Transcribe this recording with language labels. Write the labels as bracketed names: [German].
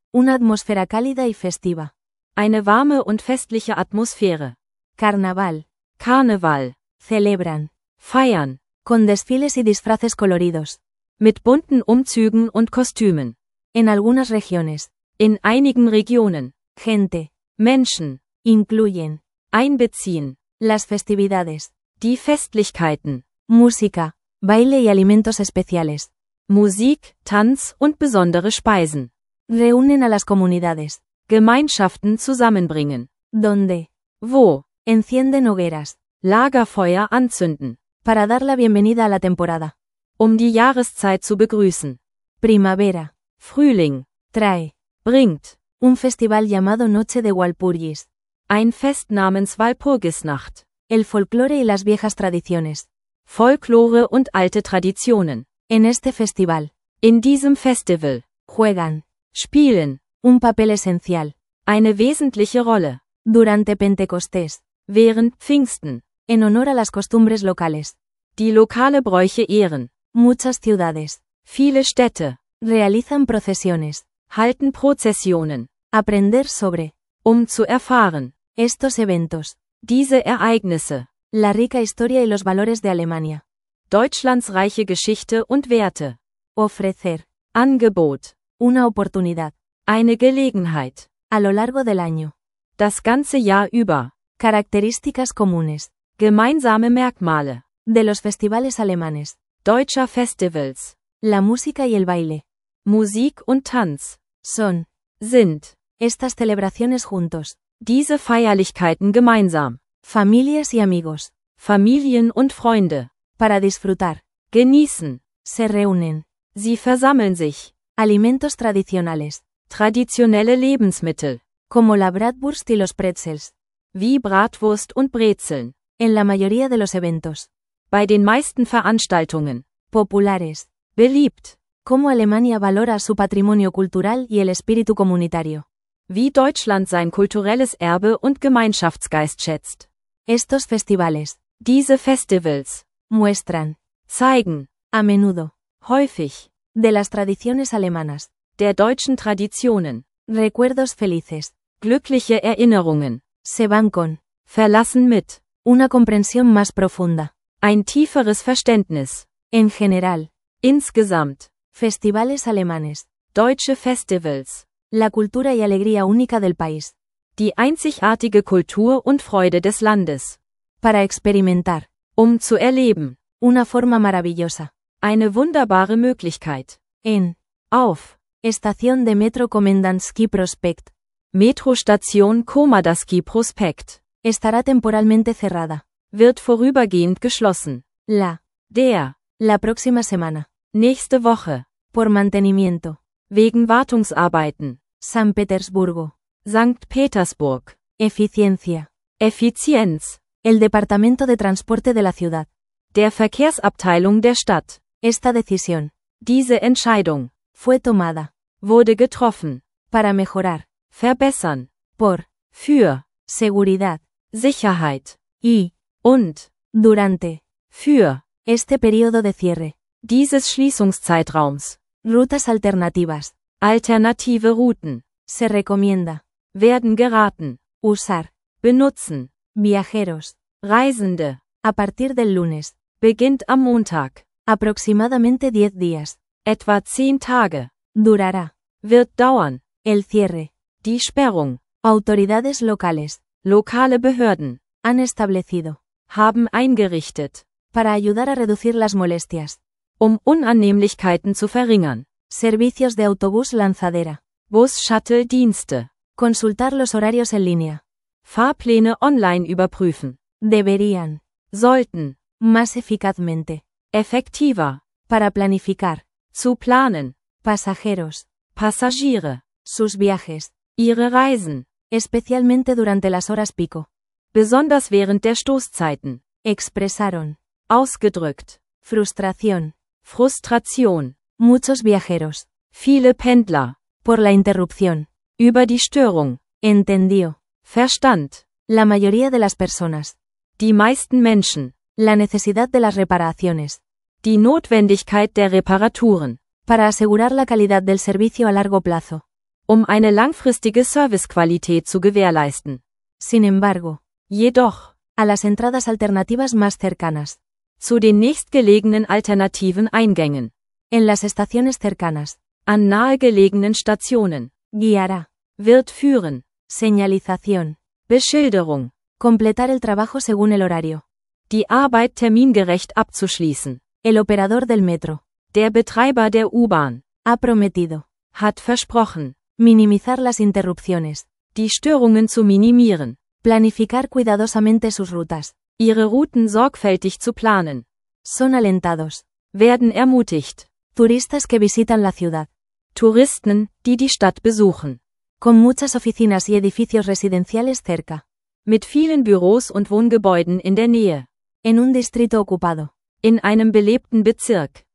[Spanish] Una atmósfera cálida y festiva. [German] Eine warme und festliche Atmosphäre. [Spanish] Carnaval. Carnaval. Celebran. [German] Feiern. [Spanish] Con desfiles y disfraces coloridos. Mit bunten Umzügen und Kostümen. En algunas regiones. [German] In einigen Regionen. [Spanish] Gente. [German] Menschen. [Spanish] Incluyen. [German] Einbeziehen. [Spanish] Las festividades. [German] Die Festlichkeiten. [Spanish] Música. Baile y alimentos especiales. [German] Musik, Tanz und besondere Speisen. [Spanish] Reúnen a las comunidades. [German] Gemeinschaften zusammenbringen. [Spanish] Donde. [German] Wo. [Spanish] Encienden hogueras. [German] Lagerfeuer anzünden. [Spanish] Para dar la bienvenida a la temporada. [German] Um die Jahreszeit zu begrüßen. [Spanish] Primavera. [German] Frühling. [Spanish] Trae. [German] Bringt. [Spanish] Un festival llamado Noche de Walpurgis. [German] Ein Fest namens Walpurgisnacht. [Spanish] El folclore y las viejas tradiciones. [German] Folklore und alte Traditionen. [Spanish] En este festival. [German] In diesem Festival. [Spanish] Juegan. [German] Spielen. [Spanish] Un papel esencial. [German] Eine wesentliche Rolle. [Spanish] Durante Pentecostés. [German] Während Pfingsten. [Spanish] En honor a las costumbres locales. [German] Die lokale Bräuche ehren. [Spanish] Muchas ciudades. [German] Viele Städte. [Spanish] Realizan procesiones. [German] Halten Prozessionen. [Spanish] Aprender sobre. [German] Um zu erfahren. [Spanish] Estos eventos. [German] Diese Ereignisse. [Spanish] La rica historia y los valores de Alemania. [German] Deutschlands reiche Geschichte und Werte. [Spanish] Ofrecer. [German] Angebot. [Spanish] Una oportunidad. [German] Eine Gelegenheit. [Spanish] A lo largo del año. [German] Das ganze Jahr über. [Spanish] Características comunes. [German] Gemeinsame Merkmale. [Spanish] De los festivales alemanes. [German] Deutscher Festivals. [Spanish] La música y el baile. [German] Musik und Tanz. [Spanish] Son. [German] Sind. [Spanish] Estas celebraciones juntos. [German] Diese Feierlichkeiten gemeinsam. [Spanish] Familias y amigos. [German] Familien und Freunde. [Spanish] Para disfrutar. [German] Genießen. [Spanish] Se reúnen. [German] Sie versammeln sich. [Spanish] Alimentos tradicionales. [German] Traditionelle Lebensmittel. [Spanish] Como la Bratwurst y los Pretzels. [German] Wie Bratwurst und Brezeln. [Spanish] En la mayoría de los eventos. [German] Bei den meisten Veranstaltungen. [Spanish] Populares. Beliebt. Como Alemania valora su patrimonio cultural y el espíritu comunitario. [German] Wie Deutschland sein kulturelles Erbe und Gemeinschaftsgeist schätzt. [Spanish] Estos festivales. [German] Diese Festivals. [Spanish] Muestran. [German] Zeigen. [Spanish] A menudo. [German] Häufig. [Spanish] De las tradiciones alemanas. [German] Der deutschen Traditionen. [Spanish] Recuerdos felices. [German] Glückliche Erinnerungen. [Spanish] Se van con. [German] Verlassen mit. [Spanish] Una comprensión más profunda. [German] Ein tieferes Verständnis. [Spanish] En general. [German] Insgesamt. [Spanish] Festivales alemanes. [German] Deutsche Festivals. [Spanish] La cultura y alegría única del país. [German] Die einzigartige Kultur und Freude des Landes. [Spanish] Para experimentar. [German] Um zu erleben. [Spanish] Una forma maravillosa. [German] Eine wunderbare Möglichkeit. [Spanish] En. [German] Auf. [Spanish] Estación de Metro Komendantsky Prospekt. [German] Metrostation [Spanish] Komendantsky Prospekt. Estará temporalmente cerrada. [German] Wird vorübergehend geschlossen. [Spanish] La. [German] Der. [Spanish] La próxima semana. [German] Nächste Woche. [Spanish] Por mantenimiento. [German] Wegen Wartungsarbeiten. [Spanish] San Petersburgo. Sankt Petersburg. Eficiencia. [German] Effizienz. [Spanish] El departamento de transporte de la ciudad. [German] Der Verkehrsabteilung der Stadt. [Spanish] Esta decisión. [German] Diese Entscheidung. [Spanish] Fue tomada. [German] Wurde getroffen. [Spanish] Para mejorar. [German] Verbessern. [Spanish] Por. [German] Für. [Spanish] Seguridad. [German] Sicherheit. [Spanish] Y. [German] Und. [Spanish] Durante. [German] Für. [Spanish] Este periodo de cierre. [German] Dieses Schließungszeitraums. [Spanish] Rutas alternativas. [German] Alternative Routen. [Spanish] Se recomienda. [German] Werden geraten. [Spanish] Usar. [German] Benutzen. [Spanish] Viajeros. [German] Reisende. [Spanish] A partir del lunes. [German] Beginnt am Montag. [Spanish] Aproximadamente 10 días. [German] Etwa 10 Tage. [Spanish] Durará. [German] Wird dauern. [Spanish] El cierre. [German] Die Sperrung. [Spanish] Autoridades locales. [German] Lokale Behörden. [Spanish] Han establecido. [German] Haben eingerichtet. [Spanish] Para ayudar a reducir las molestias. [German] Um Unannehmlichkeiten zu verringern. [Spanish] Servicios de autobús lanzadera. [German] Bus Shuttle Dienste. [Spanish] Consultar los horarios en línea. [German] Fahrpläne online überprüfen. [Spanish] Deberían. [German] Sollten. [Spanish] Más eficazmente. Efectiva. Para planificar. [German] Zu planen. [Spanish] Pasajeros. [German] Passagiere. [Spanish] Sus viajes. [German] Ihre Reisen. [Spanish] Especialmente durante las horas pico. [German] Besonders während der Stoßzeiten. [Spanish] Expresaron. [German] Ausgedrückt. [Spanish] Frustración. Frustración. Muchos viajeros. [German] Viele Pendler. [Spanish] Por la interrupción. [German] Über die Störung. [Spanish] Entendió. [German] Verstand. [Spanish] La mayoría de las personas. [German] Die meisten Menschen. [Spanish] La necesidad de las reparaciones. [German] Die Notwendigkeit der Reparaturen. [Spanish] Para asegurar la calidad del servicio a largo plazo. [German] Um eine langfristige Servicequalität zu gewährleisten. [Spanish] Sin embargo. [German] Jedoch. [Spanish] A las entradas alternativas más cercanas. [German] Zu den nächstgelegenen alternativen Eingängen. [Spanish] En las estaciones cercanas. [German] An nahegelegenen Stationen. [Spanish] Guiará. [German] Wird führen. [Spanish] Señalización. [German] Beschilderung. [Spanish] Completar el trabajo según el horario. [German] Die Arbeit termingerecht abzuschließen. [Spanish] El operador del metro. [German] Der Betreiber der U-Bahn. [Spanish] Ha prometido. [German] Hat versprochen. [Spanish] Minimizar las interrupciones. [German] Die Störungen zu minimieren. [Spanish] Planificar cuidadosamente sus rutas. [German] Ihre Routen sorgfältig zu planen. [Spanish] Son alentados. [German] Werden ermutigt. [Spanish] Turistas que visitan la ciudad. [German] Touristen, die die Stadt besuchen. [Spanish] Con muchas oficinas y edificios residenciales cerca. [German] Mit vielen Büros und Wohngebäuden in der Nähe. [Spanish] En un distrito ocupado. [German] In einem belebten Bezirk.